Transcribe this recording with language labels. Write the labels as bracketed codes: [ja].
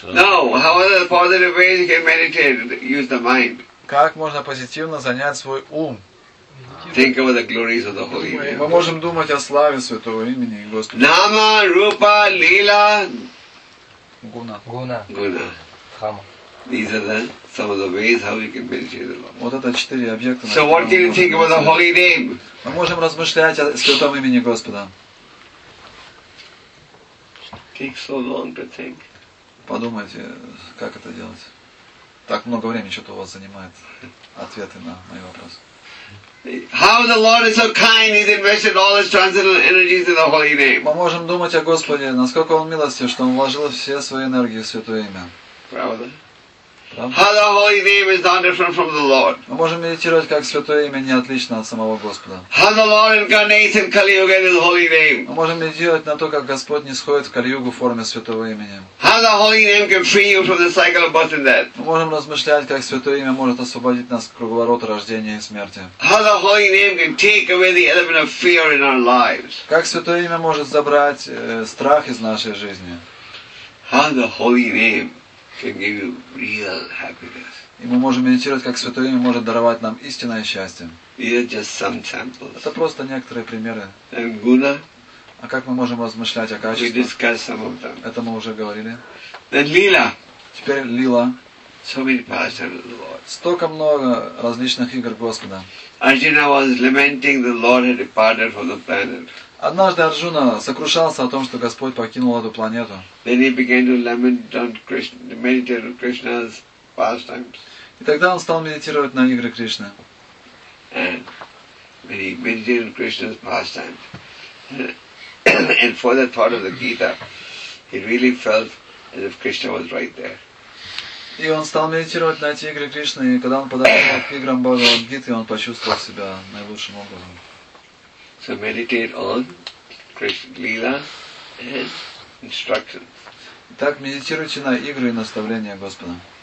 [en] No, how are the positive ways you can meditate? Use the mind. [ru] Как можно позитивно занять свой ум? [en] Think of the glories of the holy name. [ru] Мы можем думать о славе святого имени Господа. Нама, Рупа, Лила. Гуна. [en] These are the some of the ways how we can meditate the Lord. [ru] Вот это четыре объекта. [en] So what can you think about the holy name? [ru] Мы можем размышлять о святом имени Господа. [en] Takes so long to think. [ru] Подумайте, как это делать. Так много времени что-то у вас занимает ответы на мои вопросы. [en] How the Lord is so kind, He's invested all His transcendental energies in the holy name. [ru] Мы можем думать о Господе, насколько Он милостив, что Он вложил все свои энергии в святое имя. Правда? [en] How the holy name is not different from the Lord. [ru] Мы можем медитировать, как святое имя не отлично от самого Господа. [en] How the Lord incarnates in Kali Yuga in His holy name. [ru] Мы можем медитировать на то, как Господь нисходит в Кали-Югу в форме святого имени. [en] How the holy name can free you from the cycle of birth and death. [ru] Мы можем размышлять, как святое имя может освободить нас от круговорота рождения и смерти. [en] How the holy name can take away the element of fear in our lives. [ru] Как святое имя может забрать страх из нашей жизни. [en] How the holy name can give you real happiness. [ru] И мы можем медитировать, как святое имя может даровать нам истинное счастье. [en] Just some samples. [ru] Это просто некоторые примеры. [en] And guna. [ru] А как мы можем размышлять о качестве? [en] We discussed some of them. [ru] Это мы уже говорили. [en] Then lila. [ru] Теперь лила. [en] So many pastimes of the Lord. [ru] Столько много различных игр Господа. [en] Arjuna was lamenting the Lord had departed from the planet. [ru] Однажды Арджуна сокрушался о том, что Господь покинул эту планету. [en] Then he began to lament on Krishna, meditate on Krishna's pastimes. [ru] И тогда он стал медитировать на игры Кришны. [en] And when he meditated on Krishna's pastimes, and for the thought of the Gita, he really felt as if Krishna was right there. [ru] И он стал медитировать на эти игры Кришны, и когда он подошел к играм Бхагавад Гиты, он почувствовал себя наилучшим образом. [en] So meditate on Krishna Lila and instructions. [ru] Так медитируйте на игры и наставления Господа.